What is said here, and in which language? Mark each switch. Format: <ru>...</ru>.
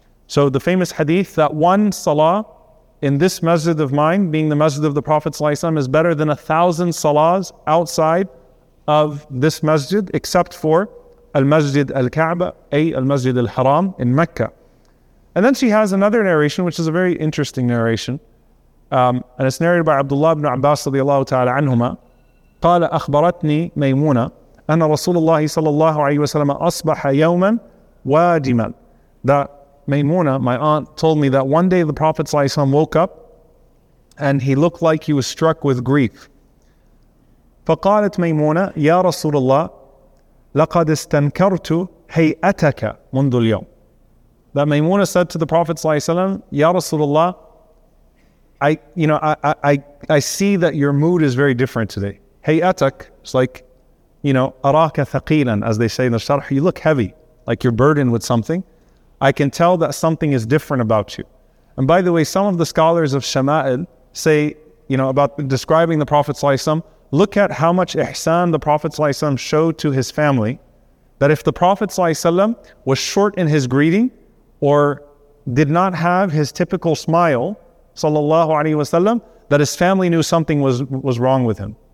<en>So the famous hadith that one salah in this masjid of mine, being the masjid of the Prophet ﷺ, is better than 1,000 salahs outside of this masjid, except for al-masjid al-ka'ba, al-masjid al-haram in Mecca. And then she has another narration, which is a very interesting narration. And it's narrated by Abdullah ibn Abbas radiallahu ta'ala anhuma.</en> <ar>قال أخبرتني ميمونة أن رسول الله صلى الله عليه وسلم أصبح يوما واجما.</ar> <en>That Maymunah, my aunt, told me that one day the Prophet ﷺ woke up and he looked like he was struck with grief.</en> <ar>فقالت ميمونة يا رسول الله لقد استنكرت هيئتك منذ اليوم.</ar> <en>That Maymunah said to the Prophet ﷺ, Ya Rasulullah, I see that your mood is very different today. Hayatak, it's like, you know, araka thaqilan, as they say in the sharh, you look heavy, like you're burdened with something. I can tell that something is different about you. And by the way, some of the scholars of Shama'il say, you know, about describing the Prophet ﷺ, look at how much ihsan the Prophet ﷺ showed to his family, that if the Prophet ﷺ was short in his greeting or did not have his typical smile, sallallahu alaihi wasallam, that his family knew something was wrong with him.</en>